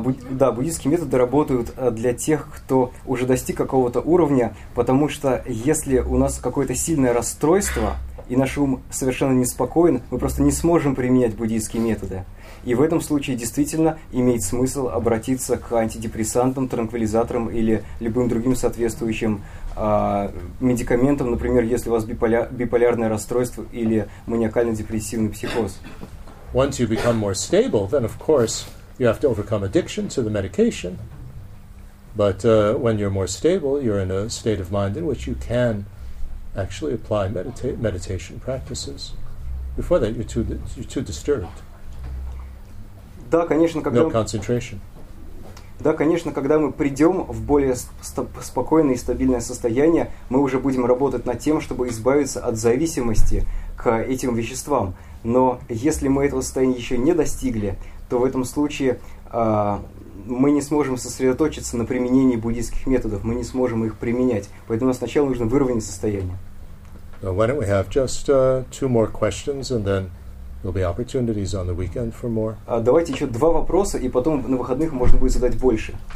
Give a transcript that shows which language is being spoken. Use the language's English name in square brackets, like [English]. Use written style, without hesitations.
[Russian] Да, буддийские методы работают для тех, кто уже достиг какого-то уровня, потому что если у нас какое-то сильное расстройство, и наш ум совершенно неспокоен, мы просто не сможем применять буддийские методы. И в этом случае действительно имеет смысл обратиться к антидепрессантам, транквилизаторам или любым другим соответствующим медикаментам, например, если у вас биполярное расстройство или маниакально-депрессивный психоз. [English] Once you become more stable, then of course you have to overcome addiction to the medication. But when you're more stable, you're in a state of mind in which you can actually apply meditation practices. Before that, you're too disturbed. [Russian] Да, конечно, когда... [English] No concentration. [Russian] Да, конечно, когда мы придем в более спокойное и стабильное состояние, мы уже будем работать над тем, чтобы избавиться от зависимости к этим веществам. Но если мы этого состояния еще не достигли, то в этом случае мы не сможем сосредоточиться на применении буддийских методов, мы не сможем их применять. Поэтому сначала нужно выровнять состояние. [English] So why don't we have just two more questions, and then there'll be opportunities on the weekend for more. [Russian] Давайте еще два вопроса, и потом на выходных можно будет задать больше.